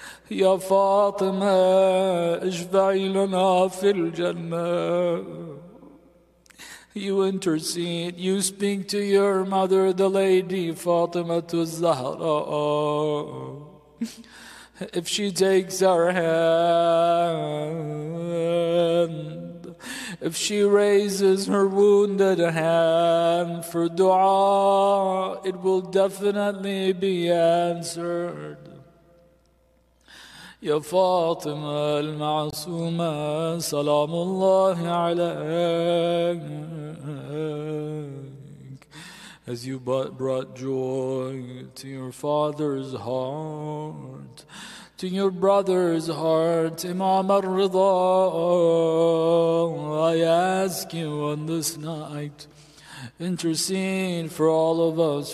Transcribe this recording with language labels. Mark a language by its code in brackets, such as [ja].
[ar] يا فاطمة اشفعي لنا في الجنة. [en] You intercede, you speak to your mother, the Lady Fatima al-Zahra. If she takes our hand, if she raises her wounded hand for dua, it will definitely be answered. [ar] يا فاطمة المعصومة سلام الله عليك. [en] As you brought joy to your father's heart, to your brother's heart, Imam al-Ridha, I ask you on this night, intercede for all of us.